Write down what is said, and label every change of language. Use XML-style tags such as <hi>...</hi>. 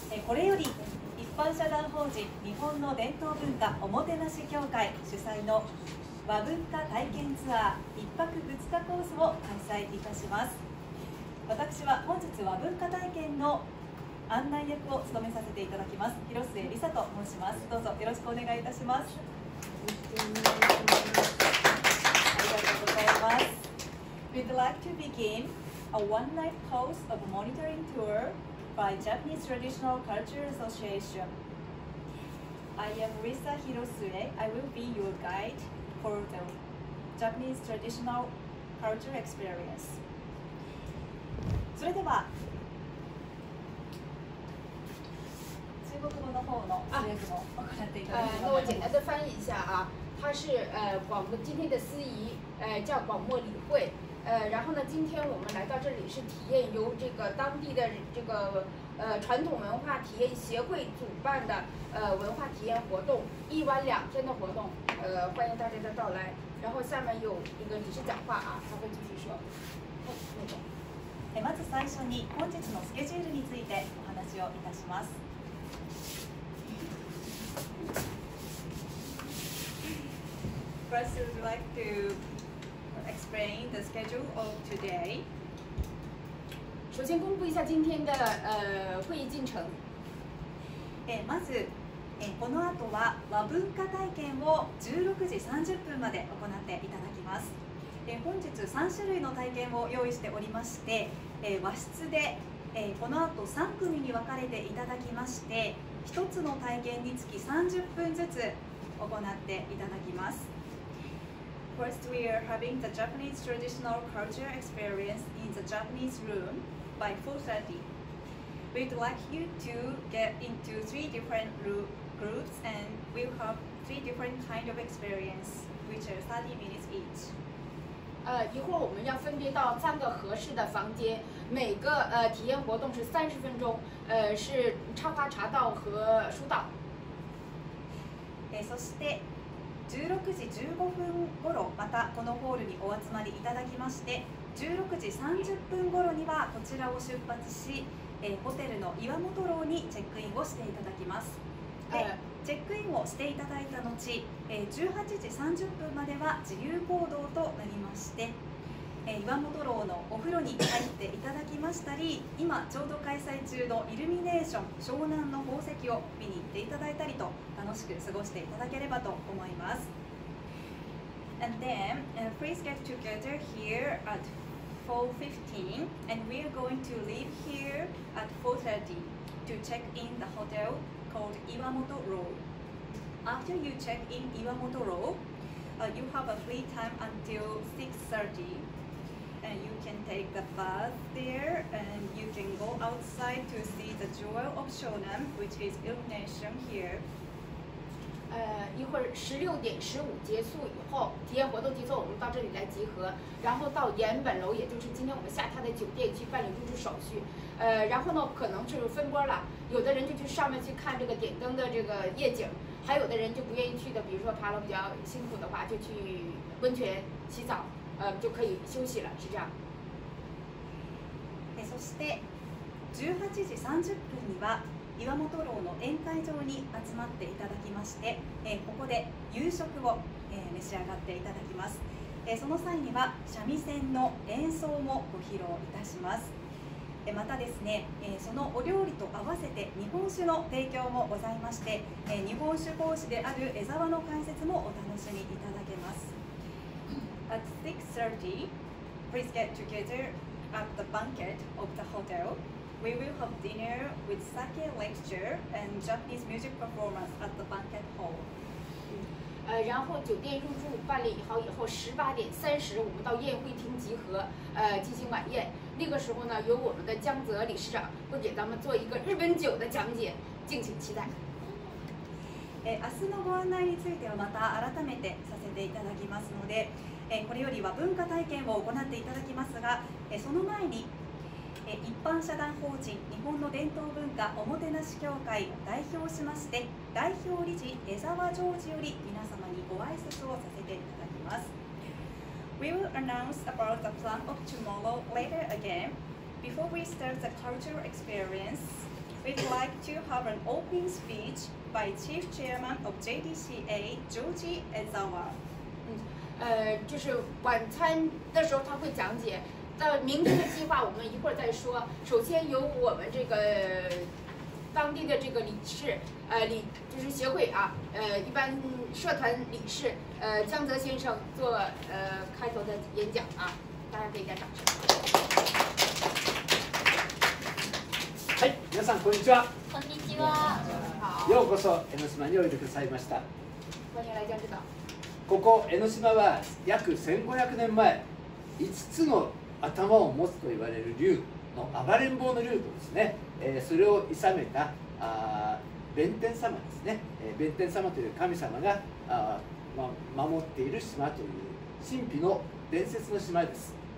<ja>これより一般社団法人日本の伝統文化おもてなし協会主催の和文化体験ツアー一泊二日コースを開催いたします。私は本日和文化体験の案内役を務めさせていただきます、広末理沙と申します。どうぞよろしくお願いいたします。ありがとうございます。</ja> <en>We'd like to beginA one-night course of monitoring tour by Japanese Traditional Culture Association. I am Risa Hirosue. I will be your guide for the Japanese Traditional Culture Experience.</en> <ja>それでは、中国語の方の翻訳も行っていただきます。</ja> <zh>那我翻译一下啊，它是广播今天的司仪，叫广播理会。然后呢，今天我们来到这里是体验由这个当地的这个传统文化体验协会主办的文化体验活动，一晚两天的活动，欢迎大家的到来。然后下面有一个理事讲话啊，他会继续说。好，那个，</zh> <ja>まず最初に本日のスケジュールについてお話をいたします。</ja> <en>First, we'd like to. Explain the schedule of today.</en> <zh>首先公布一下今天的会议进程。</zh> <ja>まず、この後は和文化体験を16時30分まで行っていただきます。本日3種類の体験を用意しておりまして、和室で、この後3組に分かれていただきまして、1つの体験につき30分ずつ行っていただきます。</ja> <en>First, we are having the Japanese traditional culture experience in the Japanese room by 4:30. We'd like you to get into three different groups and we'll have three different kind of experience, which are 30 minutes each.</en> <zh>一会儿我们要分别到三个合适的房间，每个体验活动是30分钟，是插花茶道和书道。</zh> <ja>そして16時15分ごろまたこのホールにお集まりいただきまして、16時30分ごろにはこちらを出発し、ホテルの岩本楼にチェックインをしていただきます。でチェックインをしていただいた後、18時30分までは自由行動となりまして、岩本楼のお風呂に入っていただきましたり、今ちょうど開催中のイルミネーション湘南の宝石を見に行っていただいたりと、楽しく過ごしていただければと思います。</ja> <en>And then, please get together here at 4:15 and we are going to leave here at 4:30 to check in the hotel called 岩本楼。 After you check in 岩本楼、you have a free time until 6:30And you can take the bath there and you can go outside to see the jewel of Shonan, which is illumination here.</en> <zh>一会儿16:15结束以后，体验活动结束，我们到这里来集合，然后到岩本楼，也就是今天我们下榻的酒店去办理入住手续。然后呢，可能就是分波了，有的人就去上面去看这个点灯的这个夜景，还有的人就不愿意去的，比如说爬楼比较辛苦的话，就去温泉洗澡。就可以休息了，是这样。</zh> <ja>そして18時30分には岩本楼の宴会場に集まっていただきまして、ここで夕食を、召し上がっていただきます。その際には三味線の演奏もご披露いたします。またですね、そのお料理と合わせて日本酒の提供もございまして、日本酒講師である江沢の解説もお楽しみいただけます。</ja> <en>At 6:30, please get together at the banquet of the hotel. We will have dinner with sake lecture and Japanese music performance at the banquet hall.</en> <zh>然后酒店入住办理好以后，18:30我们到宴会厅集合，进行晚宴。那个时候呢，由我们的江泽理事长会给咱们做一个日本酒的讲解，敬请期待。</zh> <ja>明日のご案内についてはまた改めてさせていただきますので。これよりは文化体験を行っていただきますが、その前に一般社団法人日本の伝統文化おもてなし協会を代表しまして、代表理事江沢丈司より皆様にご挨拶をさせていただきます。</ja> <en>We will announce about the plan of tomorrow later again. Before we start the cultural experience, we'd like to have an opening speech by Chief Chairman of JDCA, Joji Ezawa.</en> <zh>就是晚餐的时候他会讲解，但明天的计划我们一会儿再说。首先由我们这个当地的这个理事，就是协会啊，一般社团理事，江泽先生做开头的演讲啊，大家给一点掌声。</zh> <ja>はい、皆さんこんにちは。こんにちは。ようこそ江ノ島においでくださいました。こんにちは。ここ江ノ島は約1500年前、5つの頭を持つといわれる竜の暴れん坊の竜とですね、それをいさめた弁天様ですね、弁天様という神様が守っている島という神秘の伝説の島です。</ja>